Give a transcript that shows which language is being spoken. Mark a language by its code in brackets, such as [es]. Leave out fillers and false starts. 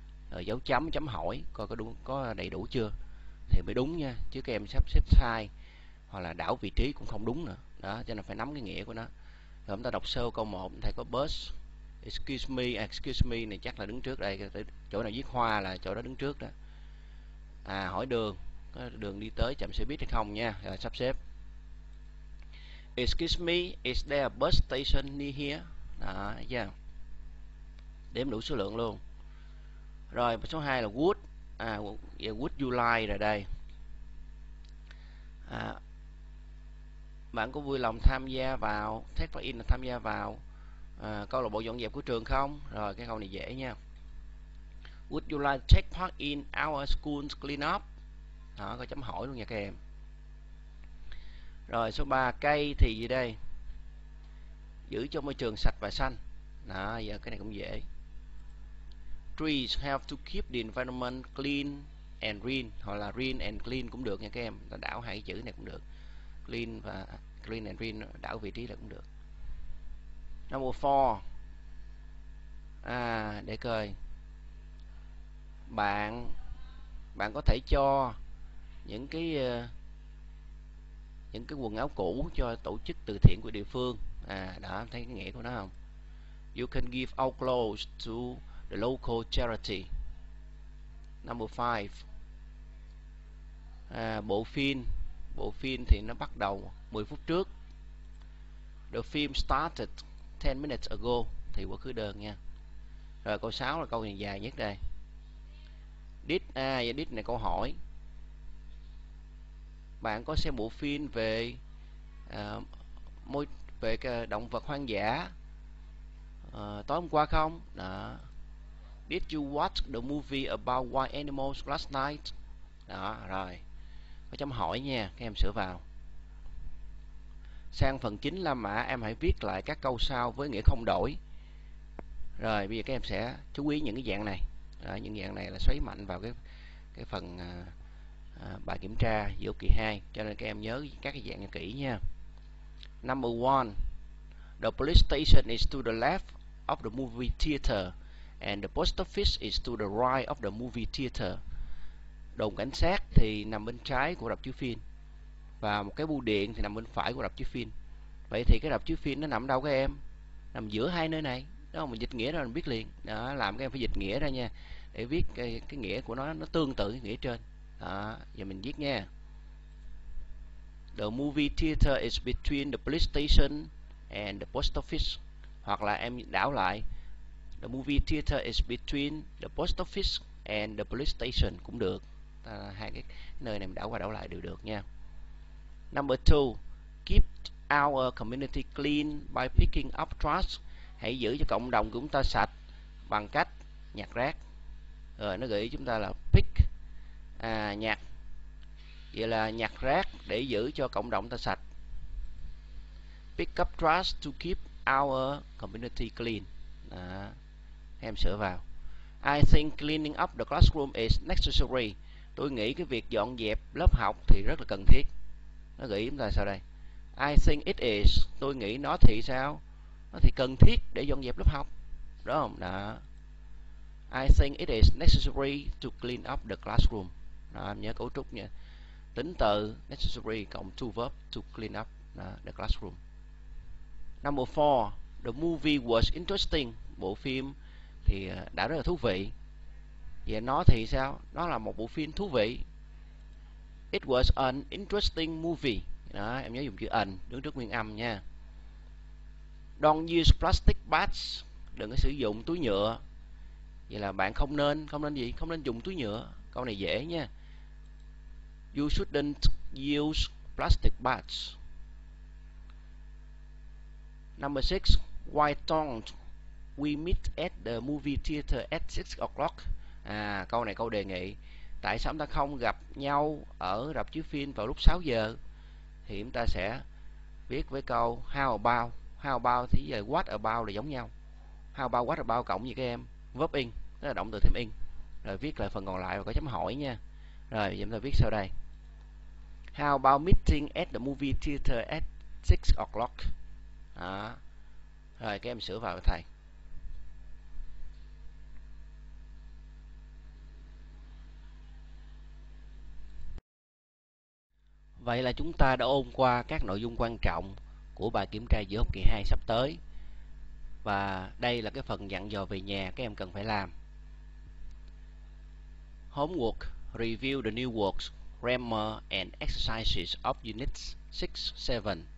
[vi] Rồi dấu chấm, chấm hỏi coi có đúng, có đầy đủ chưa thì mới đúng nha, chứ các em sắp xếp sai hoặc là đảo vị trí cũng không đúng nữa. Đó, cho nên phải nắm cái nghĩa của nó. Rồi chúng ta đọc sơ câu 1, thầy có bus. [en] Excuse me [vi] này chắc là đứng trước đây, chỗ nào viết hoa là chỗ đó đứng trước đó. Hỏi đường, có đường đi tới chậm xe buýt hay không nha. Rồi sắp xếp. [en] Excuse me, is there a bus station near here? [vi] Đó, yeah. Đếm đủ số lượng luôn. Rồi, số 2 là would. [en] Would you like [vi] rồi đây. Bạn có vui lòng tham gia vào, [en] take part in [vi] là tham gia vào câu lạc bộ dọn dẹp của trường không? Rồi, cái câu này dễ nha. [en] Would you like to take part in our school's clean up? [vi] Đó, có chấm hỏi luôn nha các em. Rồi, số 3, cây thì gì đây? Giữ cho môi trường sạch và xanh. Đó, giờ cái này cũng dễ. [en] Trees help to keep the environment clean and green. [vi] Hoặc là green and clean cũng được nha các em. Đảo hai cái chữ này cũng được. Clean và [en] clean and green [vi] đảo vị trí là cũng được. [en] Number 4. [vi] Để coi. Bạn có thể cho những cái quần áo cũ cho tổ chức từ thiện của địa phương. Đó, thấy cái nghĩa của nó không? [en] You can give our clothes to the local charity. Number 5. [vi] Bộ phim thì nó bắt đầu 10 phút trước. [en] The film started 10 minutes ago [vi] thì quá khứ đơn nha. Rồi câu 6 là câu dài nhất đây. Did này câu hỏi. Bạn có xem bộ phim về về động vật hoang dã tối hôm qua không? Đó. [en] Did you watch the movie about wild animals last night? [vi] Đó, rồi. Có chấm hỏi nha, các em sửa vào. Sang phần 9 La Mã, em hãy viết lại các câu sau với nghĩa không đổi. Rồi, bây giờ các em sẽ chú ý những cái dạng này. Đó, những dạng này là xoáy mạnh vào cái phần bài kiểm tra giữa kỳ 2. Cho nên các em nhớ các cái dạng này kỹ nha. [en] Number 1. The police station is to the left of the movie theater. And the post office is to the right of the movie theater. [vi] Đồn cảnh sát thì nằm bên trái của rạp chiếu phim. Và một cái bưu điện thì nằm bên phải của rạp chiếu phim. Vậy thì cái rạp chiếu phim nó nằm đâu các em? Nằm giữa hai nơi này. Đó, mình dịch nghĩa ra mình biết liền. Đó, làm các em phải dịch nghĩa ra nha. Để viết cái nghĩa của nó tương tự cái nghĩa trên. Đó, giờ mình viết nha. [en] The movie theater is between the police station and the post office. [vi] Hoặc là em đảo lại. [en] The movie theater is between the post office and the police station [vi] cũng được. Hai cái nơi này mình đảo qua đảo lại đều được nha. [en] Number 2. Keep our community clean by picking up trash. [vi] Hãy giữ cho cộng đồng của chúng ta sạch bằng cách nhặt rác. Rồi nó gợi ý chúng ta là pick, nhặt. Vậy là nhặt rác để giữ cho cộng đồng ta sạch. [en] Pick up trash to keep our community clean. [vi] Đó. Em sửa vào. [en] I think cleaning up the classroom is necessary. [vi] Tôi nghĩ cái việc dọn dẹp lớp học thì rất là cần thiết. Nó gợi ý chúng ta sao đây? [en] I think it is. [vi] Tôi nghĩ nó thì sao? Nó thì cần thiết để dọn dẹp lớp học. Đúng không? Đó. [en] I think it is necessary to clean up the classroom. [vi] Đó, nhớ cấu trúc nha. tính từ [en] necessary [vi] cộng [en] two verb to clean up the classroom. Number 4, the movie was interesting. [vi] Bộ phim thì đã rất là thú vị. Vậy nó thì sao? Nó là một bộ phim thú vị. [en] It was an interesting movie. [vi] Đó, em nhớ dùng chữ an đứng trước nguyên âm nha. [en] Don't use plastic bags. [vi] Đừng có sử dụng túi nhựa. Vậy là bạn không nên gì? Không nên dùng túi nhựa. Câu này dễ nha. [en] You shouldn't use plastic bags. Number 6, why don't we meet at the movie theater at 6 o'clock? [vi] À, câu này câu đề nghị. Tại sao chúng ta không gặp nhau ở rạp chiếu phim vào lúc 6 giờ? Thì chúng ta sẽ viết với câu how about. How about thì giờ what about là giống nhau. How about, what about cộng gì các em? Verb in, tức là động từ thêm in. Rồi viết lại phần còn lại và có chấm hỏi nha. Rồi, giờ chúng ta viết sau đây. [en] How about meeting at the movie theater at 6 o'clock? [vi] Đó. Rồi, các em sửa vào với thầy. Vậy là chúng ta đã ôn qua các nội dung quan trọng của bài kiểm tra giữa học kỳ 2 sắp tới. Và đây là cái phần dặn dò về nhà các em cần phải làm. [en] Homework: review the new words, grammar and exercises of units 6, 7.